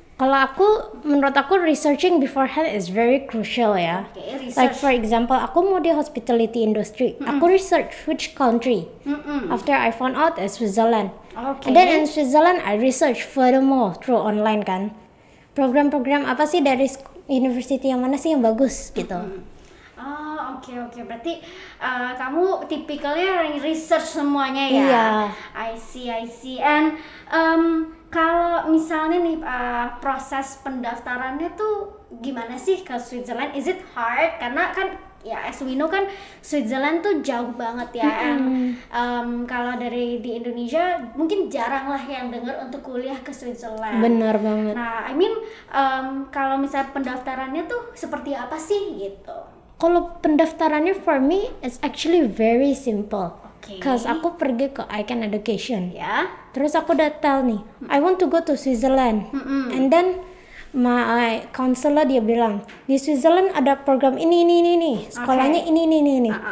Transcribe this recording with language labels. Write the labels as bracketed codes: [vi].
[id] Kalau aku, menurut aku [en] researching beforehand is very crucial [id] ya. [en] Like for example, [id] aku mau di [en] hospitality industry. Aku research which country. After I found out it's Switzerland. And then in Switzerland, I research furthermore through online kan. [id] Program-program apa sih dari university yang mana sih yang bagus gitu. [en] Okay. [id] Berarti kamu tipikalnya research semuanya ya? Iya. [en] I see. And [id] kalau misalnya nih proses pendaftarannya tuh gimana sih ke Switzerland? [en] Is it hard? [id] Karena kan ya [en] as we know [id] kan Switzerland tuh jauh banget ya. And kalau dari di Indonesia mungkin jarang lah yang dengar untuk kuliah ke Switzerland. Benar banget. Nah, [en] I mean [id] kalau misalnya pendaftarannya tuh seperti apa sih gitu? Kalau pendaftarannya [en] for me it's actually very simple. [id] Cause aku pergi ke Icon Education. Terus aku udah tell nih, [en] I want to go to Switzerland. And then my counselor [id] dia bilang, di Switzerland ada program ini. Sekolahnya ini.